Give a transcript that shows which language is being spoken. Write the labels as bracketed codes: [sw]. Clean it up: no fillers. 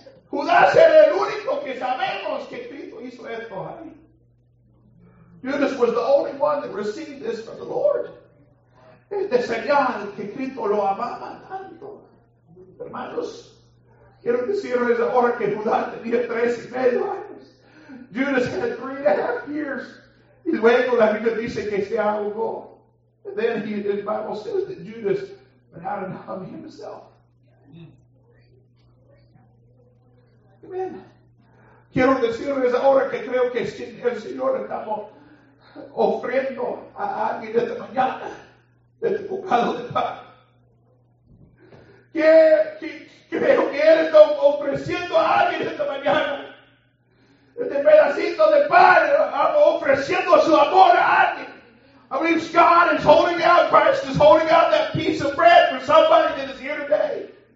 [es] Judas era el único que sabemos que Cristo hizo esto ahí. [en] Judas was the only one that received this from the Lord. [es] Este señal que Cristo lo amaba tanto. Hermanos, quiero decirles ahora que Judas tenía 3.5 años. [en] Judas had 3.5 years. [es] Y luego la Biblia dice que se ahogó. [en] And then the Bible says that Judas went out and hung himself. Amen. [es] Quiero decirles ahora que creo que el Señor estamos ofrendo a alguien esta mañana de tu bocado de pan. Creo que él está ofreciendo a alguien esta mañana este pedacito de pan, ofreciendo su amor a alguien. [en] I believe God is holding out, Christ is holding out that piece of bread for somebody that is here today.